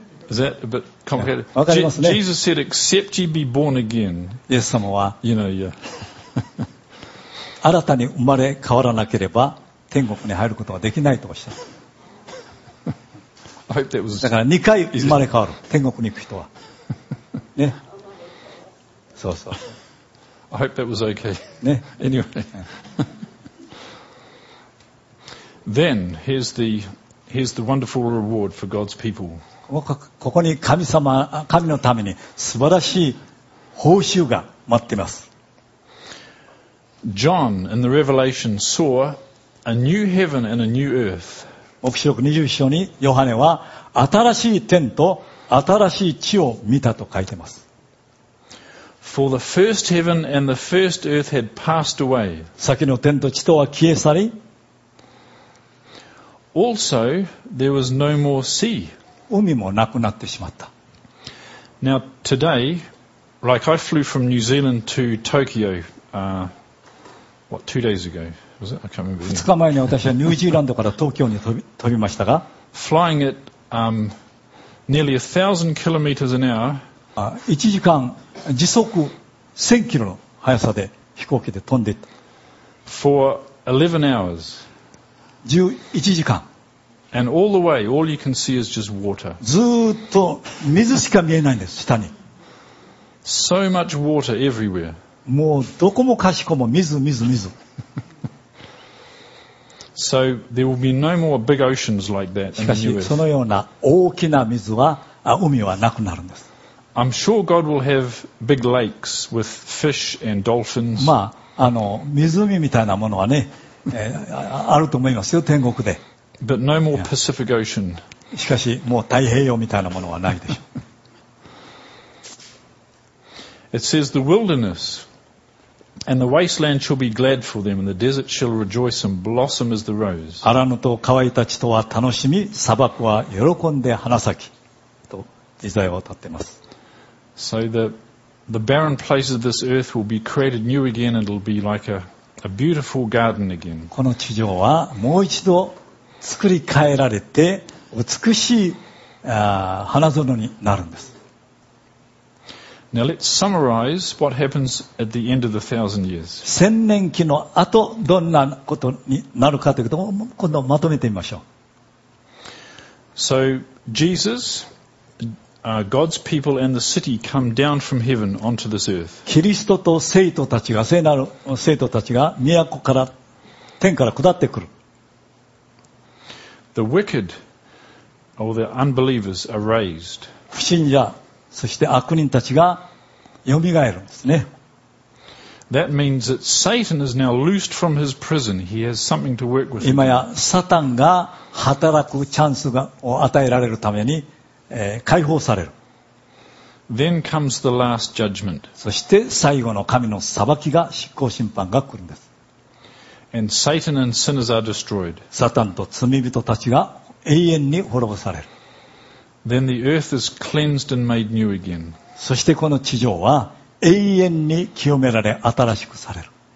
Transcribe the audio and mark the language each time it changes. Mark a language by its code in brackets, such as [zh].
[en] Is that a bit complicated? [ja] わかりますね。 [en] Jesus said, except ye be born again. [ja] イエス様は、 [en] you know, yeah. [ja] 新たに生まれ変わらなければ、天国に入ることができないとおっしゃる。 [en] I hope that was... [ja] だから2回生まれ変わる、天国に行く人は。ね。そうそう。 [en] I hope that was okay. [ja] ね。 [en] Anyway. Then, here's the wonderful reward for God's people. [ja] ここに神のために素晴らしい報酬が待っています。 [en] John in the Revelation saw a new heaven and a new earth. [ja] 黙示録21章にヨハネは新しい天と新しい地を見たと書いてます。 [en] For the first heaven and the first earth had passed away. [ja] 先の天と地とは消え去り。 [en] Also, there was no more sea. [ja] 海もなくなってしまった。 [en] Now today, like I flew from New Zealand to Tokyo, what, 2 days ago? Was it? I can't remember. [ja] 2日前に私はニュージーランドから東京に飛びましたが、 [en] flying at nearly 1,000 kilometers an hour. [ja] 1時間時速1000キロの速さで飛行機で飛んでいった。 [en] For 11 hours. [ja] 11時間。 [en] And all the way, all you can see is just water. [ja] ずっと水しか見えないんです、下に。 [en] So much water everywhere. [ja] もうどこもかしこも水、水、水。 [en] So there will be no more big oceans like that in the new earth. [ja] しかし、そのような大きな水は、海はなくなるんです。 [en] I'm sure God will have big lakes with fish and dolphins. [ja] まあ、湖みたいなものはね、あると思いますよ、天国で。 [en] But no more Pacific Ocean. [ja] しかしもう太平洋みたいなものはないでしょう。 [en] It says the wilderness And the wasteland shall be glad for them, and the desert shall rejoice and blossom as the rose. [ja] 荒野と乾いた地とは楽しみ、砂漠は喜んで花咲きと時代を歌っています。 [en] So the barren places of this earth will be created new again, and it'll be like a beautiful garden again. [ja] この地上はもう一度作り変えられて美しい花園になるんです。 [en] Now let's summarize what happens at the end of the thousand years. [ja] 千年期の後どんなことになるかということを今度まとめてみましょう。 [en] So Jesus, God's people and the city come down from heaven onto this earth. [ja] キリストと聖徒たちが、聖なる聖徒たちが都から天から下ってくる。 [en] The wicked or the unbelievers are raised. [ja] 不信者そして悪人たちが蘇るんですね。 [en] That means that Satan is now loosed from his prison. He has something to work with. [ja] 今やサタンが働くチャンスを与えられるために、解放される。 [en] Then comes the last judgment. [ja] そして最後の神の裁きが、執行審判が来るんです。 [en] And Satan and sinners are destroyed. [ja] サタンと罪人たちが永遠に滅ぼされる。 [en] Then the earth is cleansed and made new again. [ja] そしてこの地上は永遠に清められ新しくされる。